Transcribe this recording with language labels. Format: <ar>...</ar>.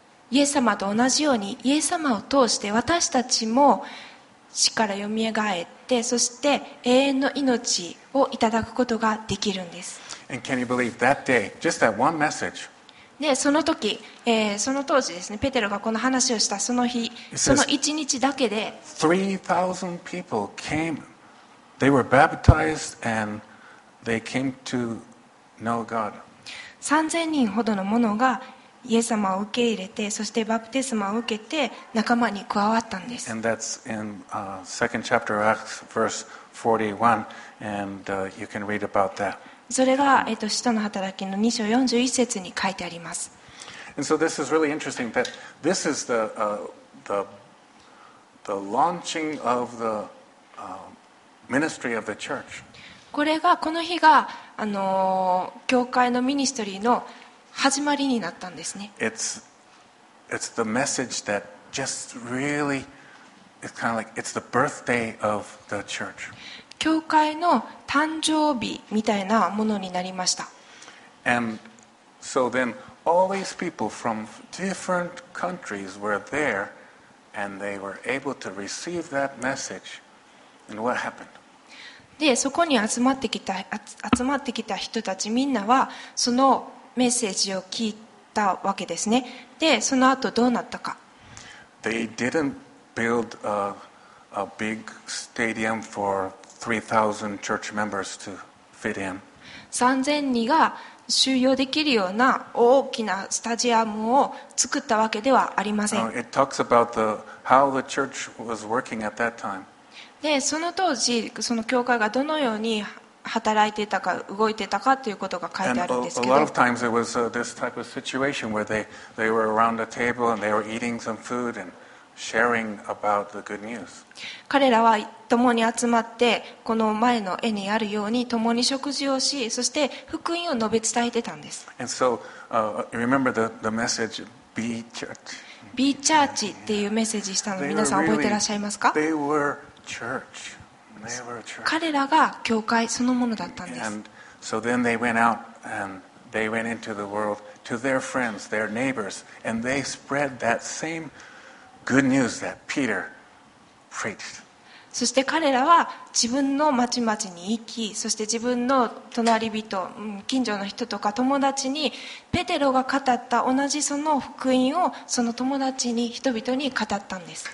<ja>イエス様と同じように、イエス様を通して私たちも死からよみがえって、そして永遠の命をいただくことができるんです。</ja> <en>And can you believe that day, just that one message?</en> <ja>でその時、その当時ですね、ペテロがこの話をしたその日、その一日だけで</ja> <en>3,000 people came. They were baptized and they came to know God.</en> <ja>3,000 人ほどの者がイエス様を受け入れて、そしてバプテスマを受けて仲間に加わったんです。</ja> <en>And that's in second chapter of Acts, verse 41, and you can read about that.</en> <ja>それが、使徒の働きの2章41節に書いてあります。</ja> <en>And so this is really interesting that this is the, the launching of the, ministry of the church.</en> <ja>これがこの日が、教会のミニストリーの始まりになったんですね。</ja> <en>It's the message that just really, it's kind of like, it's the birthday of the church.</en> <ja>教会の誕生日みたいなものになりました。</ja> <en>And so then all these people from different countries were there and they were able to receive that message. And what happened?</en> <ja>で、そこに集まってきた人たちみんなはそのメッセージを聞いたわけですね。で、その後どうなったか。</ja> <en>They didn't build a big stadium for 3,000 church members to fit in.</en> <ja>3,000 人が収容できるような大きなスタジアムを作ったわけではありません。</ja> <en>It talks about the, how the church was working at that time.</en> <ja>で、その当時、その教会がどのように働いていたか、動いていたかということが書いてあるんですけど。</ja> <en>And a lot of times it was this type of situation where they were around a table and they were eating some food and sharing about the good news.</en> <ja>彼らは共に集まってこの前の絵にあるように共に食事をし、そして福音を述べ伝えてたんです。</ja> <en>And so, remember the message, Be Church.</en> <ja>Be Church っていうメッセージしたの、皆さん覚えてらっしゃいますか？</ja> <en>They were church. They were church.</en> <ja>彼らが教会そのものだったんです。</ja> <en>And so then they went out and they went into the world to their friends, their neighbors, and they spread that same good news that Peter preached.</en> <ja>そして彼らは自分の町々に行き、そして自分の隣人、近所の人とか友達にペテロが語った同じその福音をその友達に人々に語ったんです。</ja>